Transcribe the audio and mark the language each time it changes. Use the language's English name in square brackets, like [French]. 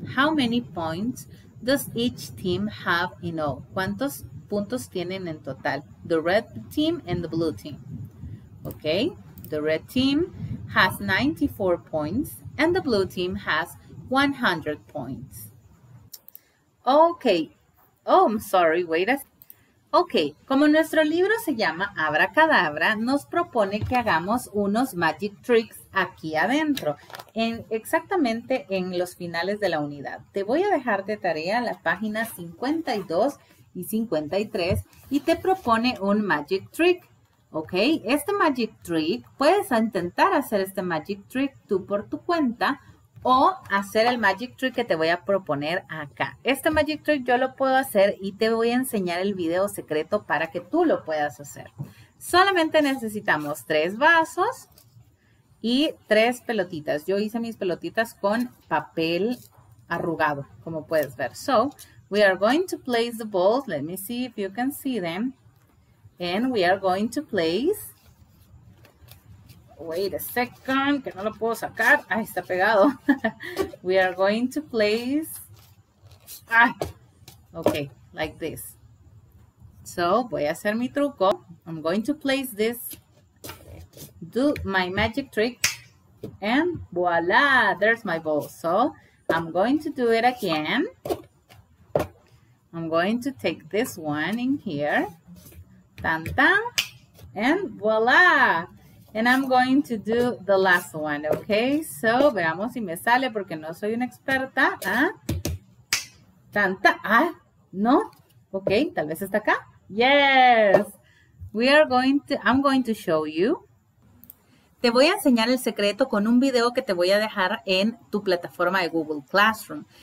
[English] How many points does each team have in all? [Spanish] ¿Cuántos puntos tienen en total? [English] The red team and the blue team. Okay, the red team has 94 points and the blue team has 100 points. Okay. Oh, I'm sorry, wait a second. [Spanish] Okay, como nuestro libro se llama Abracadabra, nos propone que hagamos unos magic tricks aquí adentro, exactamente en los finales de la unidad. Te voy a dejar de tarea las páginas 52 y 53 y te propone un magic trick. Ok, este magic trick, puedes intentar hacer este magic trick tú por tu cuenta o hacer el magic trick que te voy a proponer acá. Este magic trick yo lo puedo hacer y te voy a enseñar el video secreto para que tú lo puedas hacer. Solamente necesitamos 3 vasos y 3 pelotitas. Yo hice mis pelotitas con papel arrugado, como puedes ver. [English] So, we are going to place the balls. Let me see if you can see them. And we are going to place, wait a second, [Spanish] que no lo puedo sacar. Ay, está pegado. [English] We are going to place, okay, like this. So, [Spanish] voy a hacer mi truco. [English] I'm going to place this, do my magic trick, and voila, there's my ball. So, I'm going to do it again. I'm going to take this one in here. Tan, tan, and voila! And I'm going to do the last one, okay? [Spanish] So, veamos si me sale porque no soy una experta. ¿Ah? Tan, tan, ah, no. [English] Okay, [Spanish] tal vez está acá. [English] Yes! I'm going to show you. [Spanish] Te voy a enseñar el secreto con un video que te voy a dejar en tu plataforma de Google Classroom.